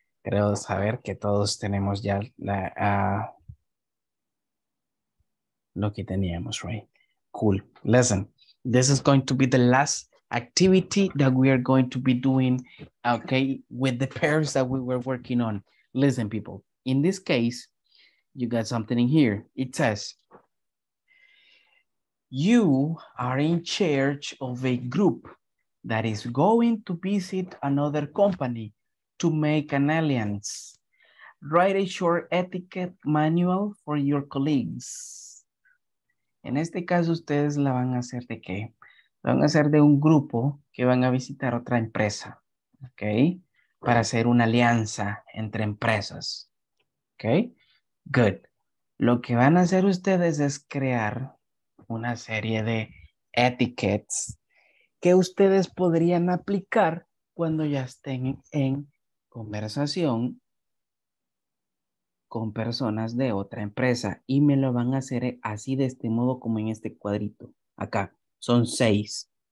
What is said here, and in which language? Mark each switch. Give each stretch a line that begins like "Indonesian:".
Spanish: Creo saber que todos tenemos ya la lo que teníamos, right?
English: Cool. Listen, this is going to be the last activity that we are going to be doing, okay, with the pairs that we were working on. Listen, people, in this case, you got something in here. It says, you are in charge of a group that is going to visit another company to make an alliance. Write a short etiquette manual for your colleagues.
Spanish: En este caso, ustedes la van a hacer de qué? La van a hacer de un grupo que van a visitar otra empresa, ¿ok? Para hacer una alianza entre empresas, ¿ok? Good. Lo que van a hacer ustedes es crear una serie de etiquettes que ustedes podrían aplicar cuando ya estén en conversación con personas de otra empresa y me lo van a hacer así de este modo como en este cuadrito acá, son seis.